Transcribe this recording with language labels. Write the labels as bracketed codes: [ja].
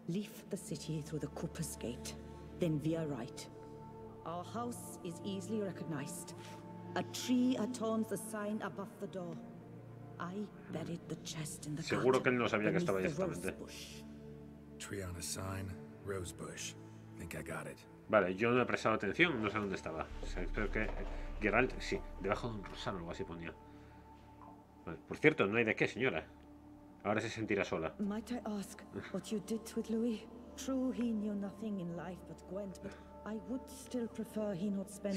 [en] Leave the city through the Cooper's Gate, then veer right. Our house is easily recognized. A tree adorns the sign above the door. I buried the chest in the garden. [es] Seguro que él no sabía que estaba ahí exactamente. [en] Tree on a sign, rosebush. Think I got it. [es] Vale, yo no he prestado atención, no sé dónde estaba. O sea, espero que Geralt, sí, debajo de un rosal o algo así ponía. Vale, por cierto, no hay de qué, señora. Ahora se sentirá sola. [en] Might I ask what you did with Louis? True, he knew nothing in life but Gwent, but I would still prefer he not spend